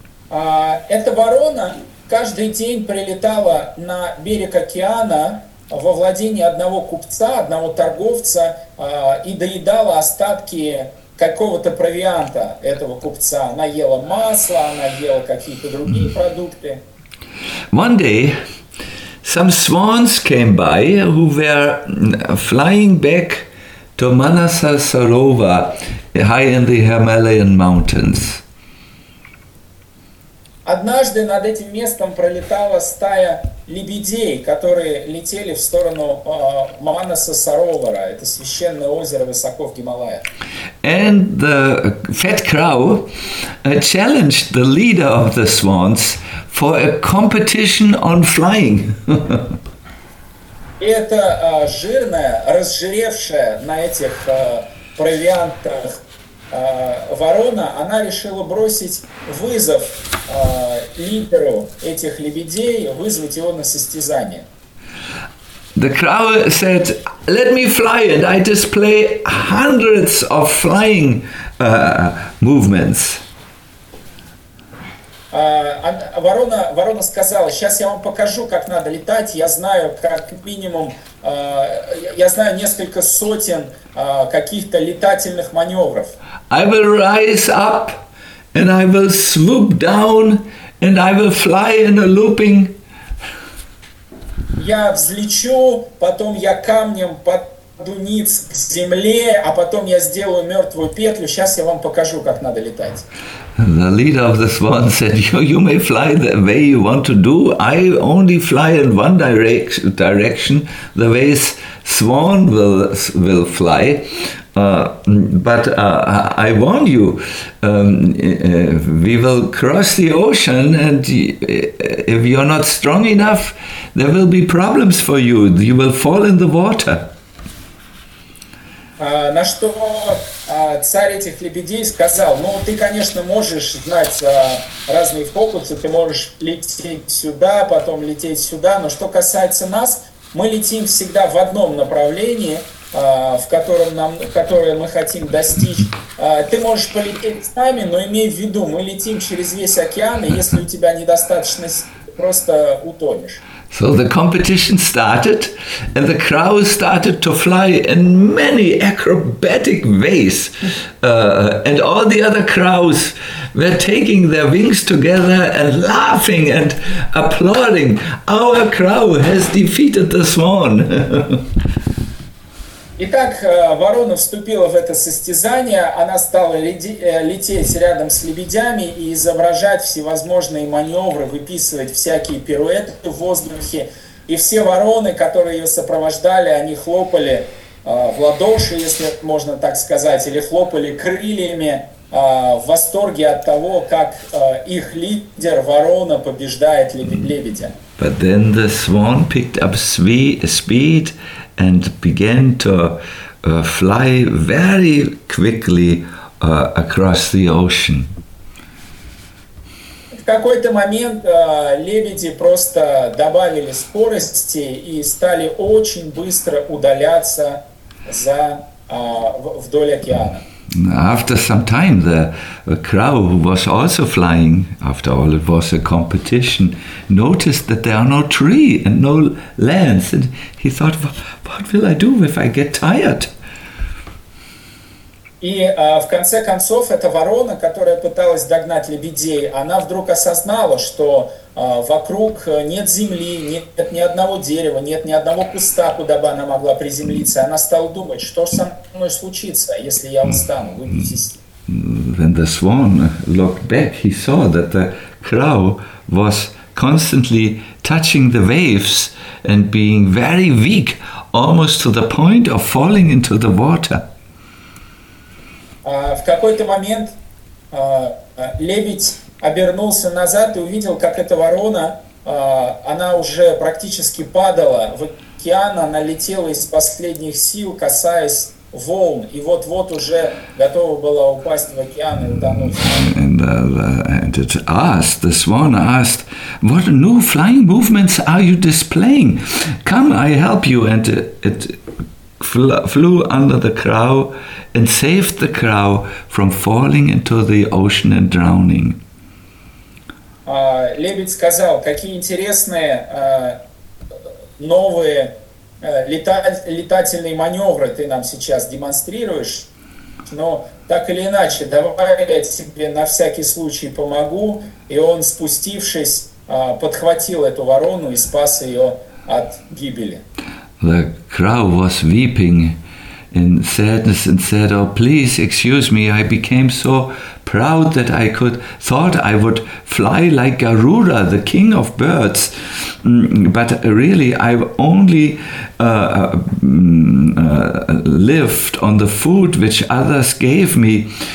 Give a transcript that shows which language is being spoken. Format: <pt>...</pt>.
<ru>Эта ворона каждый день прилетала на берег океана во владение одного купца, одного торговца, и доедала остатки какого-то провианта этого купца. Она ела масло, она ела какие-то другие продукты.</ru> <en>One day, some swans came by who were flying back to Manasarova, high in the Himalayan mountains.</en> <ru>Однажды над этим местом пролетала стая лебедей, которые летели в сторону Манасасаровара, это священное озеро высоко в Гималаях.</ru> <en>And the fat crow challenged the leader of the swans for a competition on flying.</en> <ru>Эта жирная, разжиревшая на этих провиантах ворона, она решила бросить вызов лидеру этих лебедей, вызвать его на состязание.</ru> <en>The crow said, "Let me fly, and I display hundreds of flying movements."</en> <ru>Ворона сказала, "Сейчас я вам покажу, как надо летать. Я знаю, как минимум, я знаю несколько сотен каких-то летательных маневров."</ru> <en>I will rise up, and I will swoop down, and I will fly in a looping.</en> <ru>Я взлечу, потом я камнем поду ниц к земле, а потом я сделаю мертвую петлю. Сейчас я вам покажу, как надо летать.</ru> <en>The leader of the swan said, "You may fly the way you want to do. I only fly in one direction, the way swan will fly. But I warn you, we will cross the ocean, and if you're not strong enough, there will be problems for you. You will fall in the water."</en> <ru>На что царь этих лебедей сказал, "Ну, ты, конечно, можешь знать разные фокусы, ты можешь лететь сюда, потом лететь сюда, но что касается нас, мы летим всегда в одном направлении, которое мы хотим достичь. Ты можешь полететь с нами, но имей в виду, мы летим через весь океан, и если у тебя недостаточно, просто утонешь."</ru> <en>So the competition started, and the crow started to fly in many acrobatic ways, and all the other crows were taking their wings together and laughing and applauding. Our crow has defeated the swan.</en> <ru>Итак, ворона вступила в это состязание, она стала лететь рядом с лебедями и изображать всевозможные маневры, выписывать всякие пируэты в воздухе, и все вороны, которые ее сопровождали, они хлопали в ладоши, если можно так сказать, или хлопали крыльями в восторге от того, как их лидер, ворона, побеждает лебедя.</ru> <en>But then the swan picked up speed and began to fly very quickly across the ocean.</en> <ru>В какой-то момент лебеди просто добавили скорости и стали очень быстро удаляться за вдоль океана.</ru> <en>After some time, the crow, who was also flying, after all it was a competition, noticed that there are no tree and no lands, and he thought, what will I do if I get tired?</en> <ru>И в конце концов, эта ворона, которая пыталась догнать лебедей, она вдруг осознала, что вокруг нет земли, нет ни одного дерева, нет ни одного куста, куда бы она могла приземлиться. Она стала думать, что со мной случится, если я устану, выбьетесь.</ru> <en>When the swan looked back, he saw that the crow was constantly touching the waves and being very weak, almost to the point of falling into the water.</en> <ru>В какой-то момент лебедь обернулся назад и увидел, как эта ворона, она уже практически падала в океан, она летела из последних сил, касаясь волн, и вот-вот уже готова была упасть в океан и утонуть.</ru> <en>And it asked, the swan asked, what new flying movements are you displaying? Come, I help you. And it flew under the crow and saved the crow from falling into the ocean and drowning.</en> <ru>Лебедь сказал, какие интересные новые летательные маневры ты нам сейчас демонстрируешь, но так или иначе, давай я тебе на всякий случай помогу. И он, спустившись, подхватил эту ворону и спас ее от гибели.</ru> <en>The crow was weeping in sadness and said, oh, please excuse me, I became so proud that I could, thought I would fly like Garuda, the king of birds, but really I only lived on the food which others gave me.</en>